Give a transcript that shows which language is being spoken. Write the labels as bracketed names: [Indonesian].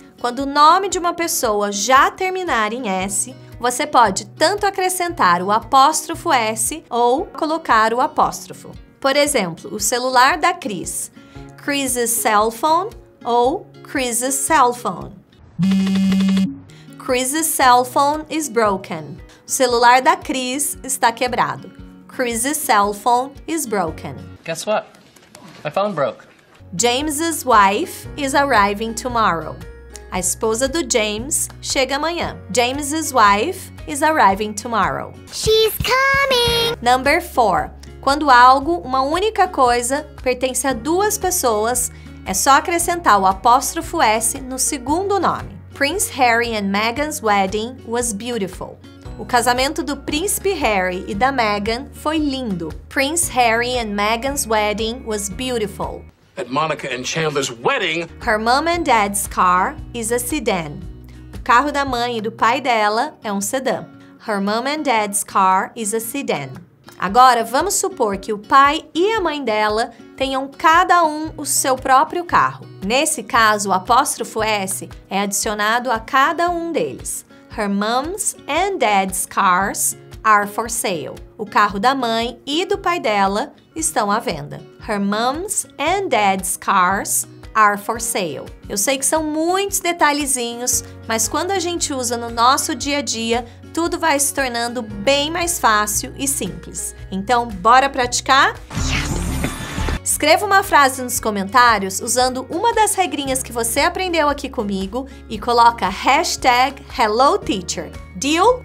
[Portuguese] Quando o nome de uma pessoa já terminar em S, você pode tanto acrescentar o apóstrofo S ou colocar o apóstrofo. Por exemplo, o celular da Cris. [English] Cris's cell phone [Portuguese] ou [English] Cris's cell phone. Cris's cell phone is broken. [Portuguese] O celular da Cris está quebrado. [English] Cris's cell phone is broken. Guess what? My phone broke. James's wife is arriving tomorrow. [Portuguese] A esposa do James chega amanhã. [English] James's wife is arriving tomorrow. She's coming! Number 4. [Portuguese] Quando algo, uma única coisa, pertence a duas pessoas, é só acrescentar o apóstrofo S no segundo nome. [English] Prince Harry and Meghan's wedding was beautiful. [Portuguese] O casamento do príncipe Harry e da Meghan foi lindo. [English] Prince Harry and Meghan's wedding was beautiful. At Monica and Chandler's wedding. Her mom and dad's car is a sedan. [Portuguese] O carro da mãe e do pai dela é um sedã. [English] Her mom and dad's car is a sedan. [Portuguese] Agora, vamos supor que o pai e a mãe dela tenham cada um o seu próprio carro. Nesse caso, o apóstrofo S é adicionado a cada um deles. [English] Her mom's and dad's cars are for sale. [Portuguese] O carro da mãe e do pai dela estão à venda. [English] Her mom's and dad's cars are for sale. [Portuguese] Eu sei que são muitos detalhezinhos, mas quando a gente usa no nosso dia a dia, tudo vai se tornando bem mais fácil e simples. Então, bora praticar? Escreva uma frase nos comentários usando uma das regrinhas que você aprendeu aqui comigo e coloca hashtag HelloTeacher. [English] Deal?